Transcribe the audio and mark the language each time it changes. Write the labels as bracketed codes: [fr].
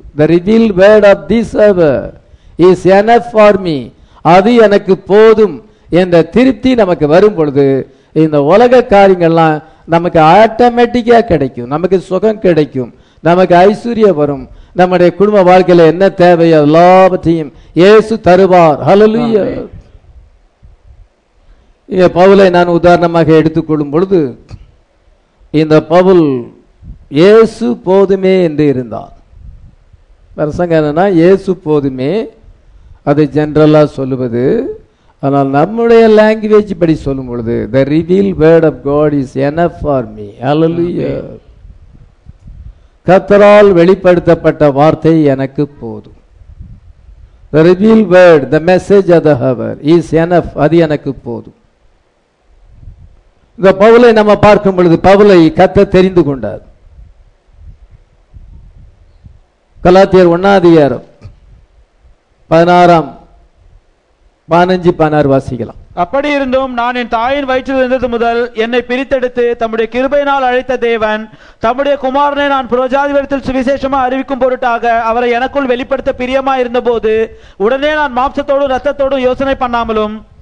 [en] The revealed word of this hour is enough for me. [ta] அது எனக்கு போதும் என்ற திருப்தி நமக்கு வரும் பொழுது இந்த உலக காரியங்கள்லாம் நமக்கு ஆட்டோமேட்டிக்கா கிடைக்கும். நமக்கு சுகம் கிடைக்கும், நமக்கு ஐஸ்வர்யம் வரும், நம்முடைய குடும்ப வாழ்க்கையில என்ன தேவையோ எல்லாவற்றையும் இயேசு தருவார். ஹல்லேலூயா. பவுலை நான் உதாரணமாக எடுத்துக்கொள்ளும் பொழுது, இந்த பவுல் இயேசு போதுமே என்று இருந்தார். பிரசங்க என்னன்னா, இயேசு போதுமே அதை ஜென்ரலா சொல்லுவது, ஆனால் நம்முடைய லாங்குவேஜ் படி சொல்லும் பொழுது, [en] The reveal word of God is enough for me. [ta] ஹல்லேலூயா. கர்த்தரால் வெளிப்படுத்தப்பட்ட வார்த்தை எனக்கு போதும். [en] The revealed word, the message of the hour is enough. [ta] அது எனக்கு போதும். இந்த பவுலை நம்ம பார்க்கும் பொழுது, பவுலை கர்த்தர் தெரிந்து கொண்டார். கலாத்தியர் 1:16-16 வாசிக்கலாம். அப்படி இருந்தும் நான் என் தாயின் வயிற்றில் இருந்தது முதல் என்னை பிரித்தெடுத்து தம்முடைய கிருபையினால் அழைத்த தேவன் தம்முடைய குமாரனை நான் புரஜாதிபதியில் சுவிசேஷமாக அறிவிக்கும் பொருட்டாக அவரை எனக்குள் வெளிப்படுத்த பிரியமா இருந்த போது உடனே நான் மாம்சத்தோடும் ரத்தத்தோடும் யோசனை பண்ணாமலும்,